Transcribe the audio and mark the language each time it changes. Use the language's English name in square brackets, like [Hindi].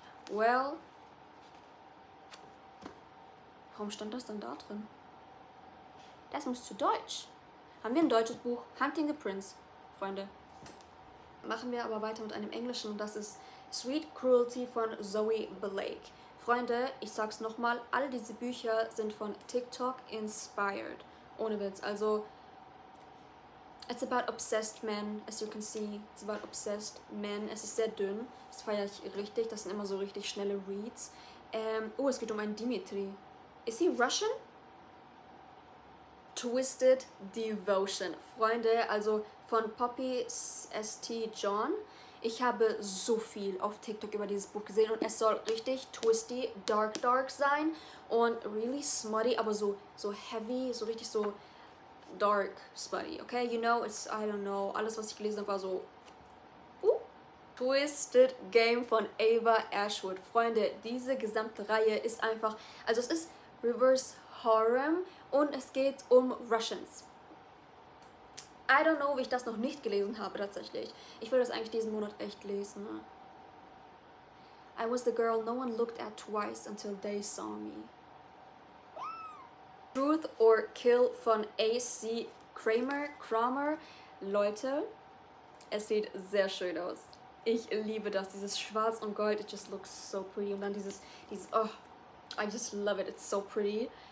[German] Well, warum stand das dann da drin? Das muss zu deutsch. Haben wir ein deutsches Buch? Hunting the Prince, Freunde. Machen wir aber weiter mit einem englischen. Das ist Sweet Cruelty von Zoe Blake. Freunde, ich sag's nochmal, all diese Bücher sind von TikTok inspired. Ohne Witz. Also, [English] It's about obsessed men, as you can see. It's about obsessed men. [German] Es ist sehr dünn. Das feiere ich richtig. Das sind immer so richtig schnelle Reads. Oh, es geht um einen Dimitri. [English] Is he Russian? [German] Twisted Devotion. Freunde, also von Poppy St. John. Ich habe so viel auf TikTok über dieses Buch gesehen. Und es soll richtig twisty, dark, dark sein. Und really smutty, aber so, so heavy, so richtig so dark smutty. [English] Okay, you know, it's, I don't know. [German] Alles, was ich gelesen habe, war so... Twisted Game von Ava Ashwood. Freunde, diese gesamte Reihe ist einfach... Also es ist Reverse Harem und es geht um Russians. [English] I don't know, [German] wie ich das noch nicht gelesen habe, tatsächlich. Ich will das eigentlich diesen Monat echt lesen. [English] I was the girl no one looked at twice until they saw me. [German] Truth or Kill von A.C. Kramer. Leute, es sieht sehr schön aus. Ich liebe das. Dieses Schwarz und Gold, [English] it just looks so pretty. [German] Und dann dieses, [English] oh, I just love it, it's so pretty.